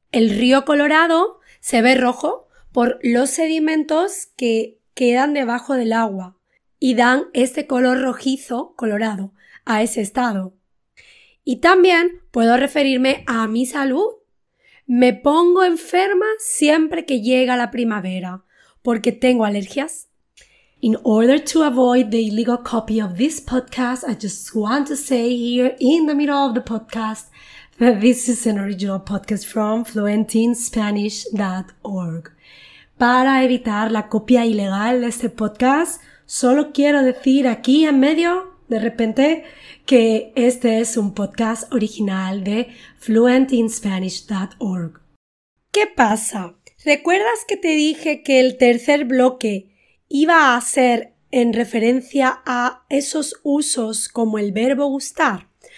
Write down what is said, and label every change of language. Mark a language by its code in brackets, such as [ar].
[es] El río Colorado se ve rojo por los sedimentos que quedan debajo del agua y dan este color rojizo, colorado, a ese estado. Y también puedo referirme a mi salud. Me pongo enferma siempre que llega la primavera porque tengo alergias. [en] In order to avoid the illegal copy of this podcast, I just want to say here in the middle of the podcast that this is an original podcast from fluentinspanish.org. [es] Para evitar la copia ilegal de este podcast, solo quiero decir aquí en medio, de repente, que este es un podcast original de fluentinspanish.org. ¿Qué pasa? ¿Recuerdas que te dije que el tercer bloque iba a ser en referencia a esos usos como el verbo gustar?